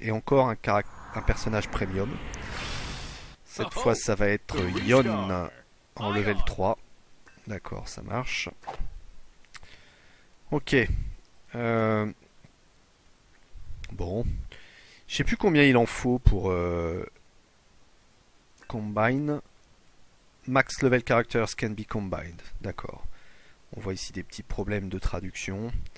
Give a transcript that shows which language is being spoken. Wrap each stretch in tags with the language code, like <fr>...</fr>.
<fr>Et encore un personnage premium. Cette fois, ça va être Yone en level 3. D'accord, ça marche. Ok. Bon. Je sais plus combien il en faut pour combine.</fr> <en>Max level characters can be combined.</en> <fr>D'accord. On voit ici des petits problèmes de traduction.</fr>